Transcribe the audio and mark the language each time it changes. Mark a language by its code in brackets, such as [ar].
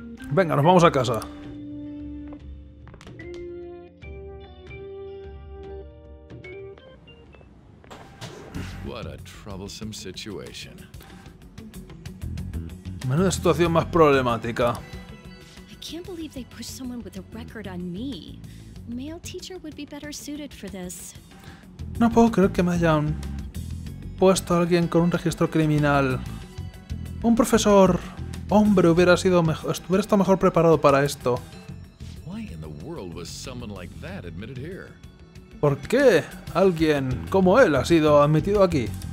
[es] Venga, nos vamos a casa. [en] What a troublesome situation. [es] Menuda situación más problemática. [en] I can't believe they pushed someone with a record on me. Male teacher would be better suited for this. [es] No puedo creer que me hayan puesto a alguien con un registro criminal. Un profesor hombre hubiera sido mejor, hubiera estado mejor preparado para esto. [en] Why in the world was someone like that admitted here? [es] ¿Por qué alguien como él ha sido admitido aquí?